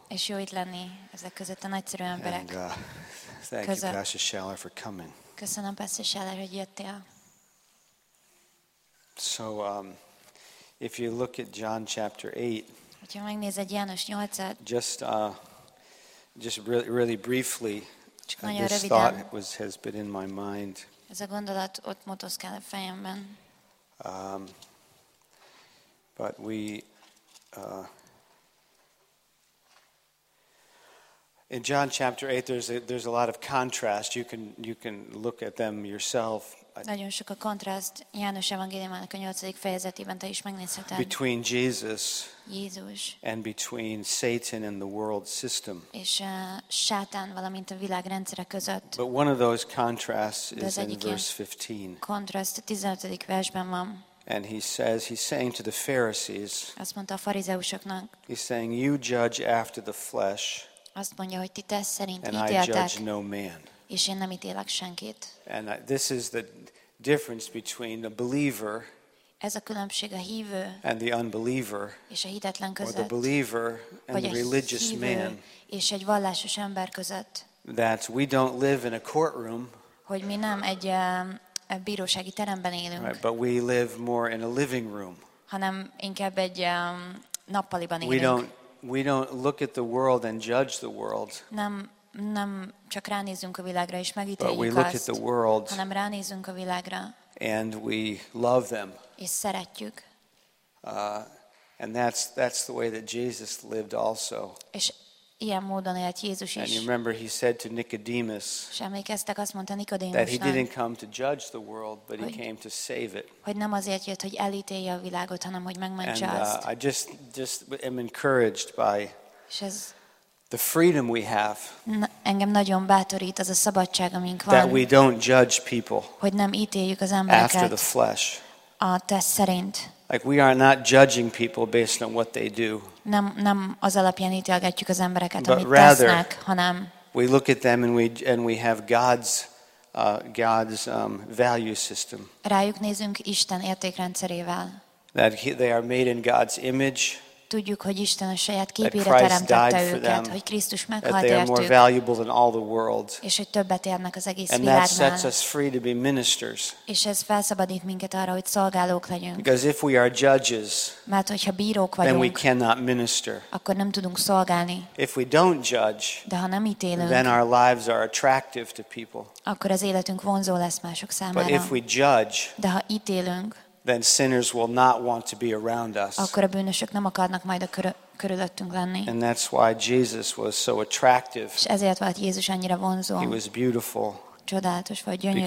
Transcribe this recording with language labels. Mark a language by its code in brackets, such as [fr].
[hu] És jó itt lenni ezek között a nagyszerű emberek. [en] And, thank you, Pastor Schaller, for coming. [hu] Köszönöm, Pastor Schaller, hogy jöttél. [en] So, if you look at John chapter 8, [hu] hogyha megnézed János 8-at, [en] just really, really briefly, this thought has been in my mind. [hu] Ez a gondolat ott motoszkál a fejemben. [en] But we, in John chapter 8, there's a lot of contrast. You can look at them yourself. [hu] Nagyon sok a kontraszt János evangéliumának a 8. fejezetében te is megnézheted. [en] Between Jesus [hu] Jézus. [en] And between Satan and the world system. [hu] És Sátán valamint a világrendszere között. [en] But one of those contrasts is in verse 15. [hu] Kontraszt 15. versben van. [en] And he says, he's saying to the Pharisees, [hu] azt mondta a farizeusoknak, [en] he's saying, you judge after the flesh, [hu] azt mondja, hogy ti tesz szerint [en] and [hu] ítéltek, [en] I judge no man. [hu] És én nem ítélek senkit. [en] And this is the difference between the believer, [hu] ez a különbség a hívő [en] and the unbeliever, [hu] és a hitetlen között, [en] or the believer and the religious man, [hu] és egy vallásos ember között, [en] that we don't live in a courtroom, [hu] hogy mi nem egy bírósági teremben élünk, [en] right, but we live more in a living room, [hu] hanem inkább egy nappaliban élünk. [en] We don't look at the world and judge the world, [hu] nem csak ránézünk a világra és megítéljük, [en] but we look at the world, [hu] hanem ránézünk a világra, [en] and we love them, [hu] és szeretjük. [en] And that's the way that Jesus lived also. [hu] És ilyen módon élt Jézus is. [en] And you remember he said to Nicodemus, [hu] és emlékeztek, azt mondta Nikodémusnak, [en] that he didn't come to judge the world, but he came to save it. [hu] Hogy nem azért jött, hogy elítélje a világot, hanem hogy megmentse azt. [en] And I just am encouraged by [hu] ez, [en] the freedom we have. [hu] Engem nagyon bátorít az a szabadság, amink [en] that That we don't judge people. [hu] Hogy nem ítéljük az embereket. [en] After the flesh. [hu] A tesz szerint. [en] Like we are not judging people based on what they do. [hu] Nem az alapján ítélgetjük az embereket, [en] but [hu] amit [en] rather, [hu] tesznek, hanem [en] we look at them and we have God's value system. [hu] Rájuk nézünk Isten értékrendszerével. [en] That they are made in God's image. [hu] Tudjuk, hogy Isten a saját képére teremtette őket, [en] them, [hu] hogy Krisztus meghalt [en] értük. That they are more valuable than all the world. [hu] És hogy többet érnek az egész [en] and [hu] világnál. [en] And that sets us free to be ministers. [hu] És ez felszabadít minket arra, hogy szolgálók legyünk. [en] Because if we are judges, [hu] mert hogyha bírók vagyunk, [en] then we cannot minister. [hu] Akkor nem tudunk szolgálni. [en] If we don't judge, [hu] de ha nem ítélünk, [en] then our lives are attractive to people. [hu] Akkor az életünk vonzó lesz mások számára. [en] But if we judge, [hu] de ha ítélünk, [en] then sinners will not want to be around us. [hu] Akkor a bűnösök nem akarnak majd a körülöttünk lenni. [en] And that's why Jesus was so attractive. [hu] És ezért volt Jézus annyira vonzó. [en] He was beautiful. [hu] Csodálatos volt, gyönyörű.